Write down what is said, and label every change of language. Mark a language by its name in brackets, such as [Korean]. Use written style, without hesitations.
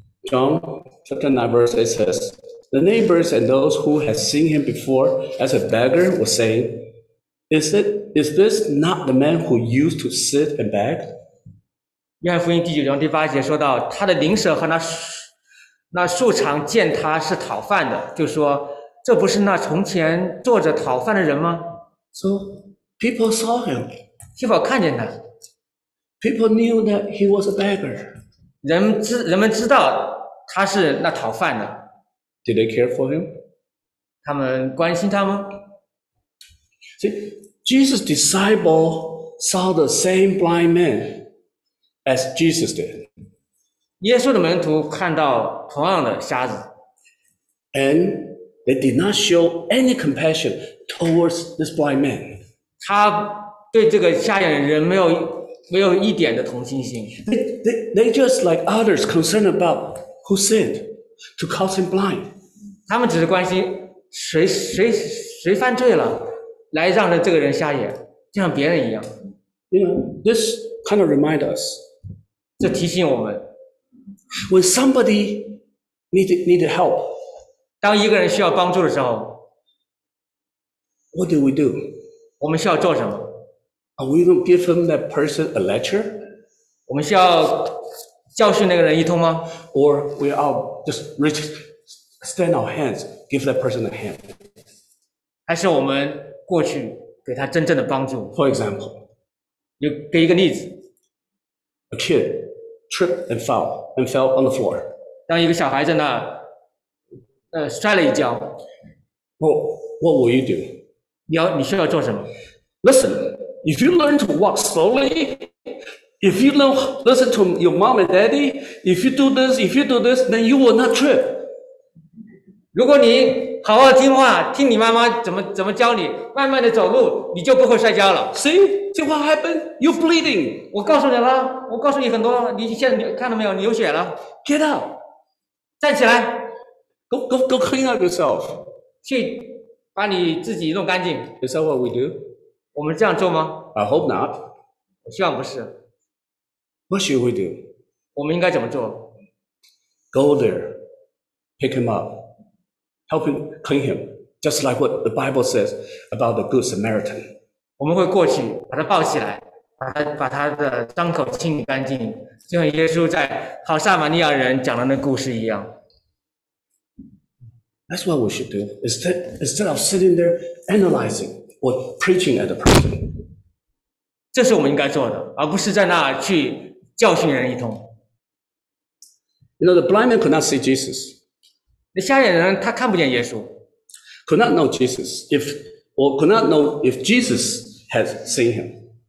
[English] John chapter 9 verse it says, the neighbors and those who had seen him before as a beggar were saying, Is this not the man who used to sit and beg? [Chinese] 约翰福音第九章第八节说到，他的邻舍和那素常见他是讨饭的，就说，这不是那从前坐着讨饭的人吗？ [English] So, people saw him. [Chinese] People 看见他。 [English] People knew that he was a beggar. [Chinese] 人们知道他是那讨饭的。 [English] Did they care for him? [Chinese] 他们关心他吗？ [English] See, Jesus' disciples saw the same blind man as Jesus did. [Chinese] 耶稣的门徒看到同样的瞎子。 [English] And they did not show any compassion towards this blind man. [Chinese] 他对这个瞎眼人没有一点的同情心。 [English] They just like others concerned about who sinned to cause him blind. [Chinese] 他们只是关心谁犯罪了来让这个人瞎眼，就像别人一样。 [English] You know, this kind of remind us. [Chinese] 这提醒我们。 [English] When somebody needed help, [Chinese] 当一个人需要帮助的时候， [English] What do we do? [Chinese] 我们需要做什么？ [English] Are we going to give him that person a lecture? [Chinese] 我们需要教训那个人一通吗？ [English] Or we all just reach, stand our hands, give that person a hand. [Chinese] 还是我们过去给他真正的帮助？ [English] For example, [Chinese] 就给一个例子。 [English] A kid tripped and fell, on the floor. [Chinese] 当一个小孩在那摔了一跤。 [English] What will you do? [Chinese] 你需要做什么？ [English] Listen. If you learn to walk slowly, if you know, listen to your mom and daddy, if you do this, then you will not trip. [Chinese] 如果你好好听话，听你妈妈怎么教你，慢慢的走路，你就不会摔跤了。 [English] See what happened? You're bleeding. [Chinese] 我告诉你了，我告诉你很多，你现在看到没有，你流血了。 [English] Get up. [Chinese] 站起来。 [English] Go clean up yourself. [Chinese] 去把你自己弄干净。 [English] Is that what we do? [Chinese] 我们这样做吗？ [English] I hope not. [Chinese] 我希望不是。 [English] What should we do? [Chinese] 我们应该怎么做？ [English] Go there, pick him up, help him clean him, just like what the Bible says about the Good Samaritan. [Chinese] 我们会过去把他抱起来，把他的伤口清理干净，就像耶稣在好撒玛利亚人讲的那故事一样。 [English] That's what we should do. Instead of sitting there analyzing. Or preaching at the person. [Chinese] 这是我们应该做的，而不是在那去教训人一通。 [English] You know, the blind man could not see Jesus. [Chinese] 那瞎眼人他看不见耶稣。 [English] Could not know Jesus if Jesus had seen him.